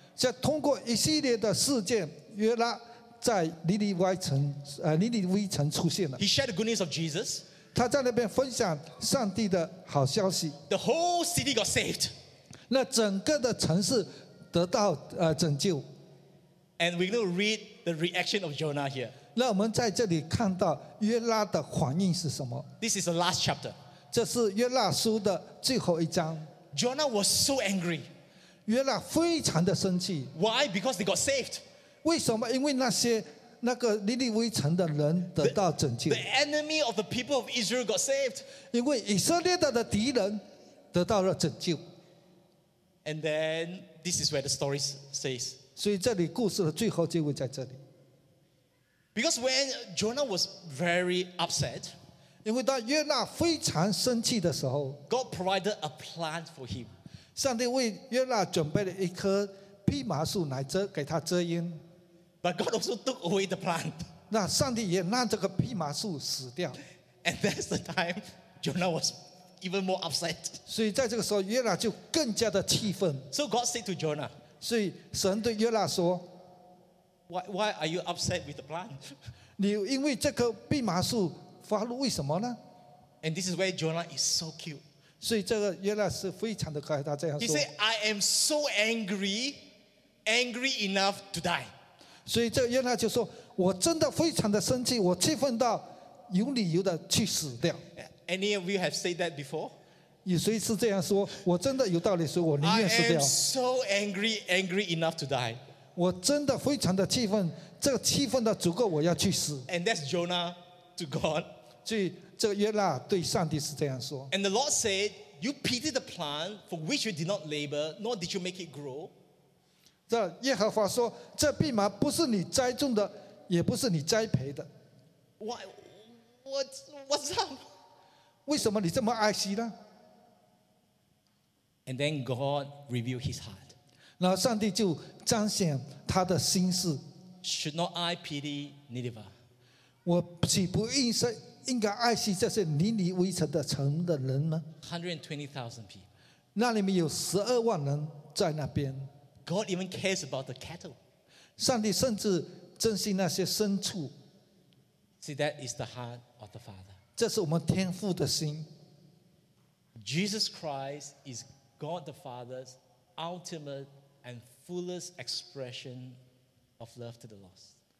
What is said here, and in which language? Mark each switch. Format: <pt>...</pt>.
<zh>就通过一系列的事件，约拿在尼尼微城出现了。</zh> <en>He shared the good news of Jesus.</en> <zh>他在那边分享上帝的好消息。</zh> <en>The whole city got saved.</en> <zh>那整个的城市得到拯救。</zh> <en>And we're going to read the reaction of Jonah here.</en> <zh>那我们在这里看到约拿的反应是什么</zh> <en>？This is the last chapter.</en> <zh>这是约拿书的最后一章。</zh> <en>Jonah was so angry.</en> <zh>约拿非常的生气。</zh> <en>Why? Because they got saved.</en> <zh>为什么？因为那些。那个尼尼微城的人得到拯救。</zh> <en>The enemy of the people of Israel got saved.</en> <zh>因为以色列的敌人得到了拯救。</zh> <en>And then this is where the story says.</en> <zh>所以这里故事的最后结尾在这里。</zh> <en>Because when Jonah was very upset,</en> <zh>因为当约拿非常生气的时候</zh> <en>，God provided a plant for him.</en> <zh>上帝为约拿准备了一棵蓖麻树来遮给他遮阴。</zh> <en>But God also took away the plant.</en> <zh>那上帝也让这个蓖麻树死掉。</zh> <en>And that's the time Jonah was even more upset.</en> <zh>所以在这个时候，约拿就更加的气愤。</zh> <en>So God said to Jonah.</en> <zh>所以神对约拿说</zh> <en>，Why are you upset with the plant?</en> <zh>你因为这棵蓖麻树发怒，为什么呢</zh> <en>？And this is where Jonah is so cute.</en> <zh>所以这个约拿是非常的可爱，他这样说。</zh> <en>He said, "I am so angry enough to die."</en> <zh>所以这约拿就说：“我真的非常的生气，我气愤到有理由的去死掉。”</zh> <en>Any of you have said that before?</en> <zh>有谁是这样说？我真的有道理，所以我宁愿死掉。</zh> <en>I am so angry enough to die.</en> <zh>我真的非常的气愤，这个气愤的足够我要去死。</zh> <en>And that's Jonah to God.</en> <zh>这个约拿对上帝是这样说。</zh> <en>And the Lord said, "You pitied the plant for which you did not labor, nor did you make it grow."</en> <zh>这耶和华说，这蓖麻不是你栽种的，也不是你栽培的。</zh> <en>Why? What's up?</en> <zh>为什么你这么爱惜呢？</zh> <en>And then God revealed His heart.</en> <zh>然后上帝就彰显他的心思。</zh> <en>Should not I pity Nineveh?</en> <zh>我岂不应该爱惜这些尼尼微城的城的人吗？</zh> <en>120,000 people.</en> <zh>那里面有12万人在那边。</zh> <en>God even cares about the cattle.</en> <zh>上帝甚至珍惜那些牲畜。</zh> <en>See, that is the heart of the Father.</en> <zh>这是我们天父的心。</zh> <en>Jesus Christ is God the Father's ultimate and fullest expression of love to the lost.</en>